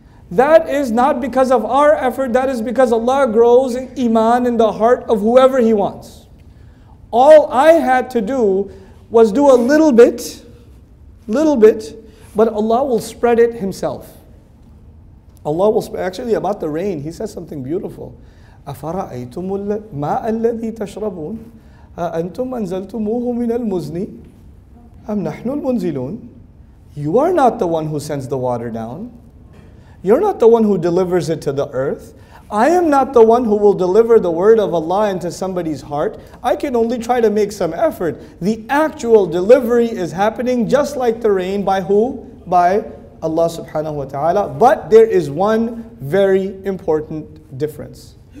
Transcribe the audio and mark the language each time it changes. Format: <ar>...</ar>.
<en>That is not because of our effort, that is because Allah grows iman in the heart of whoever He wants. All I had to do was do a little bit, but Allah will spread it Himself. Allah will spread, actually about the rain, He says something beautiful.</en> <ar>أَفَرَأَيْتُمُ الْمَاءَ الَّذِي تَشْرَبُونَ أَنْتُمْ أَنْزَلْتُمُوهُ مِنَ الْمُزْنِ أَمْ نَحْنُ الْمُنْزِلُونَ</ar> <en>You are not the one who sends the water down. You're not the one who delivers it to the earth. I am not the one who will deliver the word of Allah into somebody's heart. I can only try to make some effort. The actual delivery is happening just like the rain. By who? By Allah subhanahu wa ta'ala. But there is one very important difference.</en>